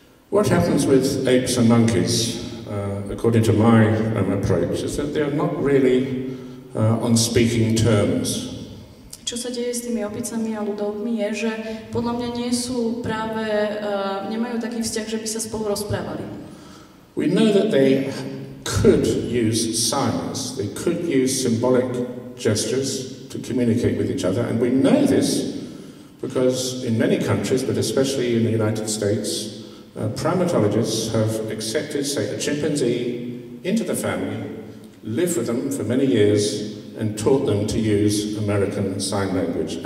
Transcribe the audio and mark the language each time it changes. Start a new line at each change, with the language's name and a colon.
English: What happens with apes and monkeys, according to my approach, is that they are not really on speaking terms.
Slovak: Čo sa deje s tými opicami a ľudovmi je, že podľa mňa nie sú práve, nemajú taký vzťah, že by sa spolu rozprávali.
English: We know that they could use signs, they could use symbolic gestures to communicate with each other, and we know this because in many countries, but especially in the United States, primatologists have accepted, say, a chimpanzee into the family, live with them for many years, and taught them to use American Sign Language.